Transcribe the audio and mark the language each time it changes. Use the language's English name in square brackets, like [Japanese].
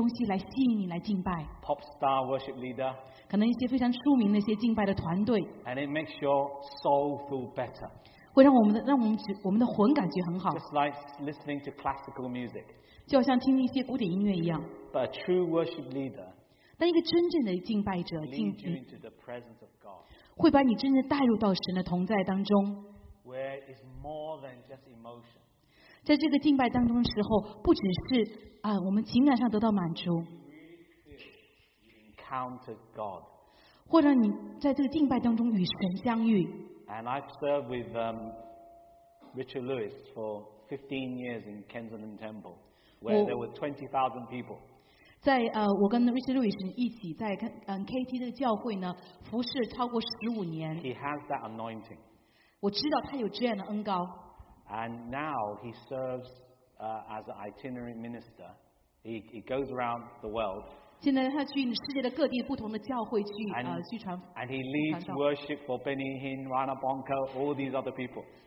[Chinese] 可能现在很多大的那些教会，他们会取决于用灯光、舞台设计东西来吸引你来敬拜。 [English] Pop star worship leader. [Chinese] 可能一些非常出名的那些敬拜的团队。 [English] And it makes your soul feel better. [Chinese] 会让我们的魂感觉很好。 [English] Just like listening to classical music. [Chinese] 就好像听一些古典音乐一样。 [English] But a true worship leader. [Chinese] 但一个真正的敬拜者， [English] leads you into the presence of God. [Chinese] 会把你真正带入到神的同在当中。 [English] Where it's more than just emotion. [Chinese] 在这个敬拜当中的时候，不只是我们情感上得到满足， [English] encounter God， [Chinese] 或者你在这个敬拜当中与神相遇。 [English] And I've served with Richard Lewis for 15 years in Kensington Temple, where there were 20,000 people. [Chinese] 在我跟 Richard Lewis 一起在KT 的教会呢，服侍超过15年。 [English] He has that anointing. [Chinese] 我知道他有这样的恩膏。 [English] And now he serves as an itinerant minister. He goes around the world. [Chinese] 现在他去世界的各地不同的教会去传。And [English] he leads worship for Benny Hinn, Rana Bonko, all these other people.